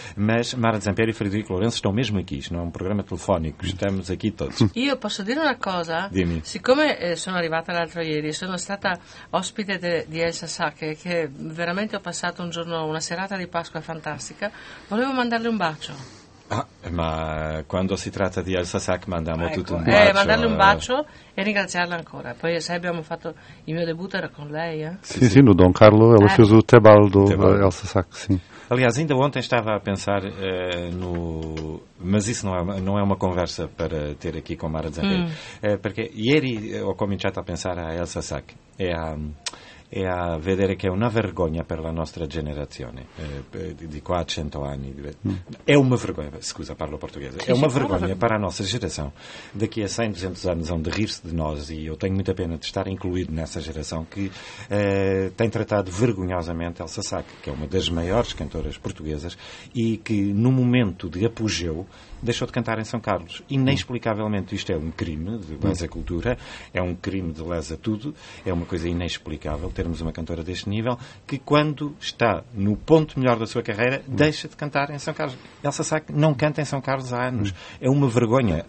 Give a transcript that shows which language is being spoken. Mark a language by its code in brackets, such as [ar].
[pt] Mas Mara Zampieri e Frederico Lourenço estão mesmo aqui. Isto não é um programa telefónico. Estamos aqui todos. Eu posso dizer uma coisa? [it] Dimmi. Siccome sono arrivata l'altro ieri, sono stata ospite di Elsa Sacche, che veramente ho passato un giorno, una serata di Pasqua fantastica, volevo mandarle un bacio. Ma quando si tratta di Elsa Sack mandiamo tutto un bacio. Mandarle un bacio e ringraziarla ancora. Poi sai, abbiamo fatto il mio debutto era con lei. Sì, no Don Carlo, [pt] ela fez o tebaldo Elsa Sack, sim. Aliás, ainda ontem estava a pensar no... Mas isso não é uma conversa para ter aqui com Mara Zanetti. [it] Perché ieri ho cominciato a pensare a Elsa Sack. E a vedere che è una vergogna per la nostra generazione, di qua a 100 anni. È una vergogna, scusa, parlo portoghese. È una vergogna per la nostra generazione. [pt] Daqui a 100, 200 [it] anni hanno di rirsi di noi, [pt] e io tenho muita pena [it] di stare [pt] incluído nessa [it] generazione che [pt] tem [it] trattato vergognosamente Elsa Sack, che è una delle [pt] maiores cantoras portuguesas, [it] e che [pt] no momento [it] di apogeu. [pt] Deixou de cantar em São Carlos. Inexplicavelmente, isto é um crime de lesa cultura, é um crime de lesa tudo, é uma coisa inexplicável termos uma cantora deste nível que, quando está no ponto melhor da sua carreira, deixa de cantar em São Carlos. Elsa Sack não canta em São Carlos há anos. É uma vergonha.